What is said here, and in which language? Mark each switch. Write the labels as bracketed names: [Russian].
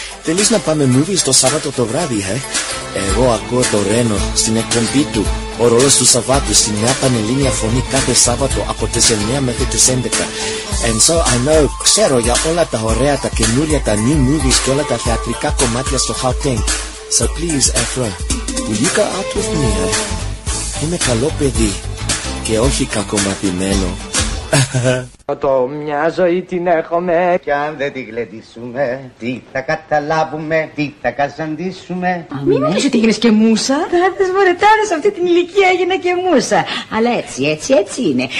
[Greek] Θέλεις να πάμε movies το Σάββατο το βράδυ, eh? Εγώ ακούω το Ρένο στην εκπομπή του. Ο ρόλος του Σαββάτου στην Νέα Πανελλήνια Φωνή κάθε Σάββατο από τις 9 μέχρι τις 11. [English] And so I know, [Greek] ξέρω για όλα τα ωραία, τα καινούρια, τα [English] new movies [Greek] και όλα τα θεατρικά κομμάτια στο Χαουτένκ. [English] So please, Ephra, will you go out with me? [Greek] Είμαι καλό παιδί και όχι κακομαθημένο. Το μια ζωή την έχουμε κι αν δεν τη γλεντήσουμε τι θα καταλάβουμε, τι θα καζαντήσουμε. Μην μου πεις ότι έγινες και μούσα. Τάδες μωρέ, τάδες, αυτή την ηλικία έγινα και μούσα. Αλλά έτσι, έτσι, έτσι είναι.